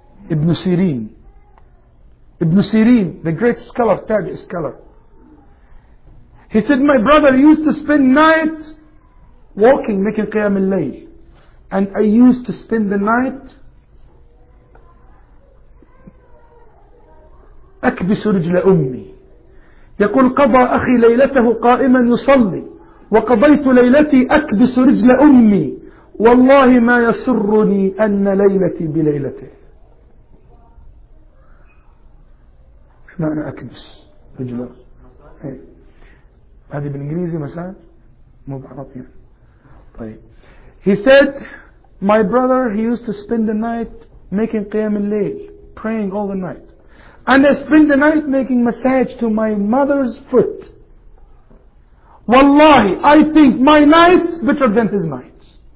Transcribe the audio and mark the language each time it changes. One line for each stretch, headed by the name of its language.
English: Ibn Sirin, the great scholar, Tabi'i scholar. He said, my brother used to spend night walking, making qiyam al-layl. And I used to spend the night
Arabic: أكبس رجل أمي. يقول قضى أخي ليلته قائما يصلي وقضيت ليلتي أكبس رجل أمي والله ما يسرني أن ليلتي بليلته. إيش معنى أكبس رجل؟ هذه بالإنجليزي مثلا مو بعربي.
English: طيب he said my brother he used to spend the night making قيام الليل praying all the night and I spend the night making massage to my mother's foot. Wallahi, I think my nights better than his nights.